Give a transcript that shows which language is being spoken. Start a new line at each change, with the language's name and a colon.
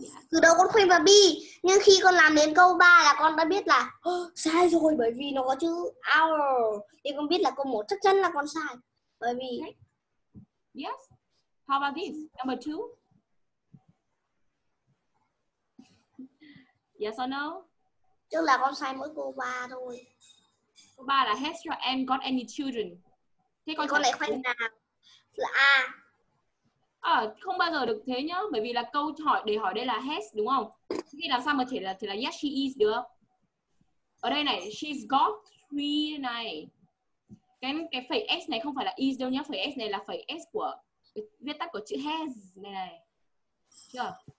Vietnamese: Từ đầu con khuyên vào B, nhưng khi con làm đến câu 3 là con đã biết là sai rồi, bởi vì nó có chữ our. Thì con biết là câu 1 chắc chắn là con sai. Bởi vì okay.
English: Yes. How about this? Number 2. Yes or no?
Vietnamese: Tức là con sai mỗi câu 3 thôi. Câu 3 là
English: has your aunt got any children?
Vietnamese: Thế con lại khoanh là A. À, không bao giờ được thế nhá, bởi vì là câu hỏi để hỏi đây là has đúng không? Thì làm sao mà chỉ là
English: yes she is
Vietnamese: được. Ở đây này,
English: she's got three
Vietnamese: này. Cái phẩy s này không phải là is đâu nhá, phẩy s này là phẩy s của viết tắt của chữ has này. Chưa?